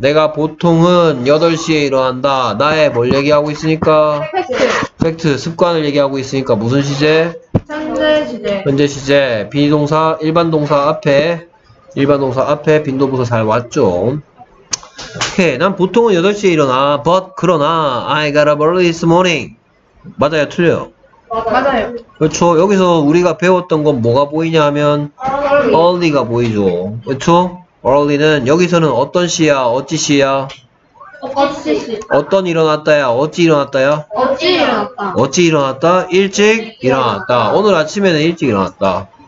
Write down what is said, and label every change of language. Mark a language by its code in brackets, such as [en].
[ko] 내가 보통은 8시에 일어난다. 나의 뭘 얘기하고 있으니까. 팩트. 습관을 얘기하고 있으니까 무슨 시제? 현재 시제. 현재 시제. 비동사 일반 동사 앞에 일반 동사 앞에 빈도 부사 잘 왔죠. 오케이. 난 보통은 8시에 일어나. [en] But [ko] 그러나 [en] I got up early this morning. [ko] 맞아요? 틀려요? 맞아요. 그렇죠. 여기서 우리가 배웠던 건 뭐가 보이냐 하면 early가 보이죠. 그렇죠. early는 여기서는 어떤 시야, 어찌 시야, 어찌 시. 어떤 일어났다야, 어찌 일어났다야, 어찌 일어났다, 어찌 일어났다, 일찍 일어났다. 오늘 아침에는 일찍 일어났다.